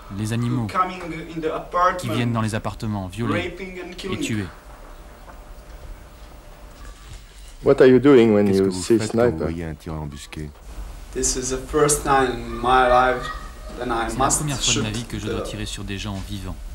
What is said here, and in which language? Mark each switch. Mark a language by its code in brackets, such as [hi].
[fr] les animaux qui viennent dans les appartements violer et tuer. [en] What are you doing when you see sniper? [fr] Vous voyez un tir embusqué? [en] This is the first time in my life that I must. [fr] C'est la première fois de ma vie que je dois tirer sur des gens vivants.